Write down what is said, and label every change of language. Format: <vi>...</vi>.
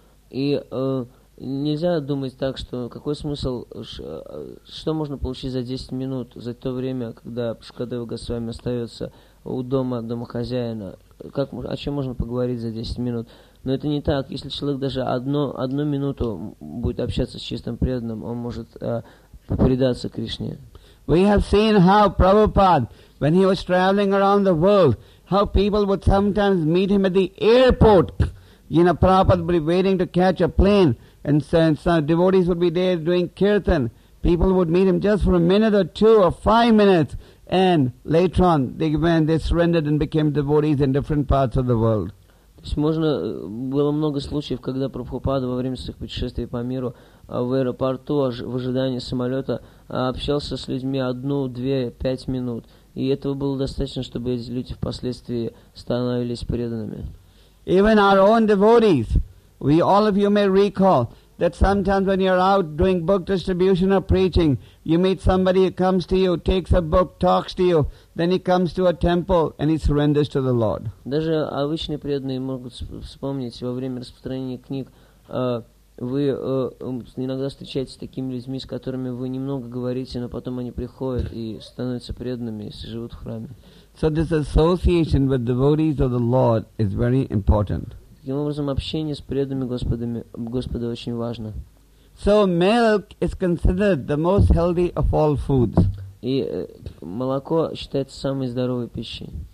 <ru>И нельзя думать так, что какой смысл, что можно получить за 10 минут, за то время, когда Шукадева Госвами остается у дома домохозяина, о чем можно поговорить за 10 минут. Но это не так. Если человек даже одну минуту будет общаться с чистым преданным, он может предаться Кришне.</ru> <en>We have seen how Prabhupada, when he was traveling around the world, how people would sometimes meet him at the airport. You know, Prabhupada would be waiting to catch a plane, and some devotees would be there doing kirtan. People would meet him just for a minute or two or 5 minutes, and later on, they surrendered and became devotees in different parts of the world.</en> <ru>То есть было много случаев, когда Прабхупада во время своих путешествий по миру в аэропорту в ожидании самолета общался с людьми 1, 2, 5 минут, и этого было достаточно, чтобы эти люди впоследствии становились преданными.</ru> <en>Even our own devotees, we all of you may recall that sometimes when you're out doing book distribution or preaching, you meet somebody who comes to you, takes a book, talks to you, then he comes to a temple and he surrenders to the Lord.</en> <ru>Даже обычные преданные могут вспомнить во время распространения книг, вы иногда встречаетесь с такими людьми, с которыми вы немного говорите, но потом они приходят и становятся преданными и живут в храме.</ru> <en>So this association with devotees of the Lord is very important.</en> <ru>Таким образом, общение с преданными Господа очень важно.</ru> <en>So milk is considered the most healthy of all foods.</en> <ru>И молоко считается самой здоровой пищей.</ru>